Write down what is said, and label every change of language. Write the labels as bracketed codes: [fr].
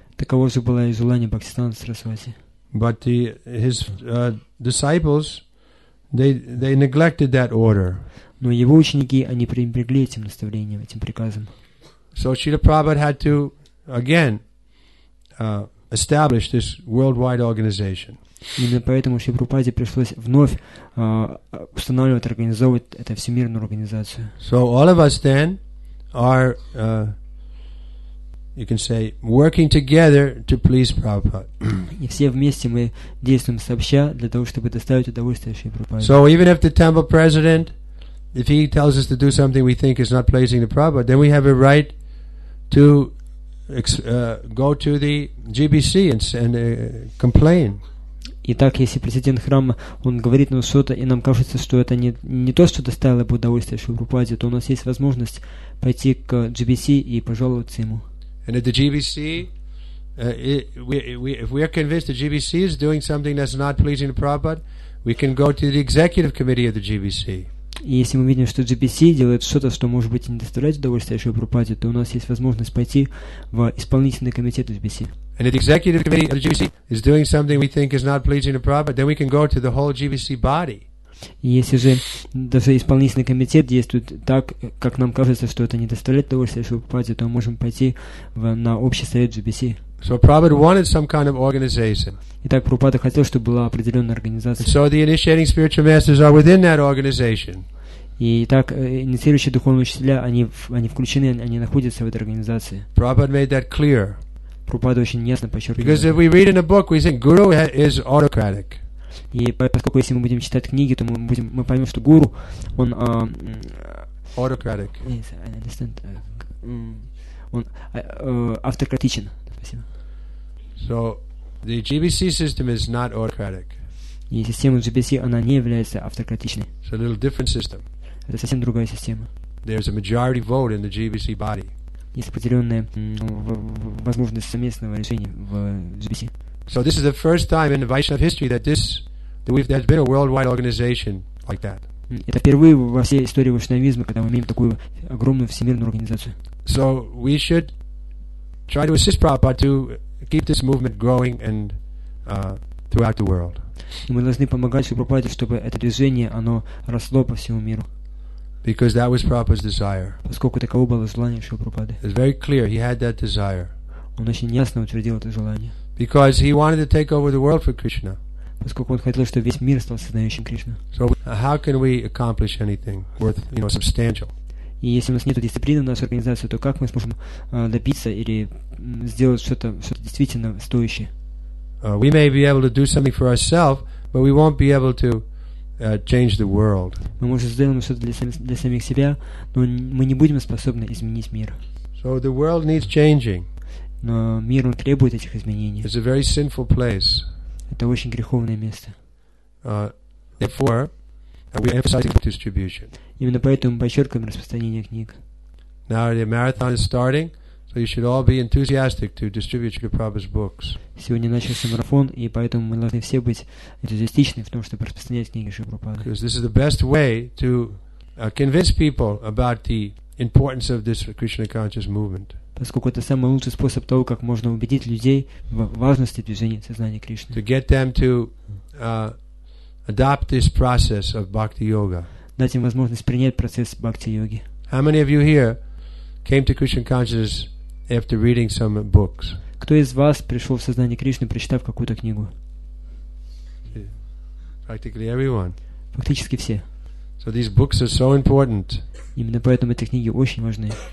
[ru] Таково же было и желание Бхакти Сиддханты Сарасвати. [en] But his disciples, they neglected that order. [ru] Но его ученики, они пренебрегли этим наставлением, этим приказом. [en] So Srila Prabhupada had to again establish this worldwide organization. [ru] Именно поэтому Шри Прабхупаде пришлось вновь устанавливать, организовывать эту всемирную организацию. [en] So all of us then are, you can say, working together to please Prabhupada. [ru] И все вместе мы действуем сообща для того, чтобы доставить удовольствие Шри Прабхупаде. [en] So even if the temple president, if he tells us to do something we think is not pleasing to Prabhupada, then we have a right to go to the GBC and complain. [ru] Итак, если президент храма, он говорит нам что-то, и нам кажется, что это не то, что доставило бы удовольствие Шри Прабхупаде, то у нас есть возможность пойти к GBC и пожаловаться ему. [en] And at the GBC, if we are convinced the GBC is doing something that's not pleasing to Prabhupada, we can go to the executive committee of the GBC. [ru] И если мы видим, что GBC делает что-то, что может быть не доставляет удовольствие Шри Прабхупаде, то у нас есть возможность пойти в исполнительный комитет GBC. [en] And if the executive committee of the GBC is doing something we think is not pleasing to Prabhupada, then we can go to the whole GBC body. [ru] Если же даже исполнительный комитет действует так, как нам кажется, что это не доставляет удовольствие Шри Прабхупаде, то мы можем пойти на общий совет GBC. [en] So Prabhupada wanted some kind of organization. [ru] Итак, Прабхупада хотел, чтобы была определенная организация. [en] And so the initiating spiritual masters are within that organization. [ru] И так инициирующие духовные учителя, они включены, они находятся в этой организации. [en] Prabhupada made that clear. [ru] Прабхупада очень ясно подчеркивает. [en] Because if we read in a book, we think guru is autocratic. [ru] И поскольку если мы будем читать книги, то мы поймем, что гуру он [en] autocratic. Yes, I understand. [ru] Он автократичен. [en] So the GBC system is not autocratic. [ru] И система GBC она не является автократичной. [en] It's a little different system. [ru] Это совсем другая система. [en] There's a majority vote in the GBC body. [ru] Есть определенная возможность совместного решения в GBC. [en] So this is the first time in the Vaishnava history that there's been a worldwide organization like that. [ru] Это впервые во всей истории вайшнавизма, когда мы имеем такую огромную всемирную организацию. [en] So we should try to assist Prabhupada to keep this movement growing and throughout the world. [ru] Мы должны помогать Прабхупаде, чтобы это движение оно росло по всему миру. [en] Because that was Prabhupada's desire. [ru] Поскольку таково было желание Прабхупады. [en] It's very clear he had that desire. [ru] Он очень ясно утвердил это желание. [en] Because he wanted to take over the world for Krishna. [ru] поскольку он хотел, чтобы весь мир стал сознающим Кришну. [en] So how can we accomplish anything worth, you know, substantial? [ru] И если у нас нет дисциплины в нашей организации, то как мы сможем добиться или сделать что-то, что-то действительно стоящее? [en] We may be able to do something for ourselves, but we won't be able to change the world. [ru] Мы можем сделать что-то для самих себя, но мы не будем способны изменить мир. [en] So the world needs changing. [ru] Но мир, он требует этих изменений. [en] It's a very sinful place. [ru] Это очень греховное место. [en] Therefore, we emphasize distribution. [ru] Именно поэтому мы подчеркиваем распространение книг. [en] Now the marathon is starting, so you should all be enthusiastic to distribute Srila Prabhupada's books. [ru] Сегодня начался марафон, и поэтому мы должны все быть энтузиастичны в том, чтобы распространять книги Шри Прабхупады. [en] Because this is the best way to convince people about the importance of this Krishna conscious movement. [ru] Поскольку это самый лучший способ того, как можно убедить людей в важности движения сознания Кришны. [en] To get them to adopt this process of bhakti yoga. [ru] Дать им возможность принять процесс бхакти йоги. [en] How many of you here came to Krishna consciousness after reading some books? [ru] Кто из вас пришел в сознание Кришны, прочитав какую-то книгу? [en] Practically everyone. [ru] Фактически все. [en] So these books are so important. [ru] Именно поэтому эти книги очень важны.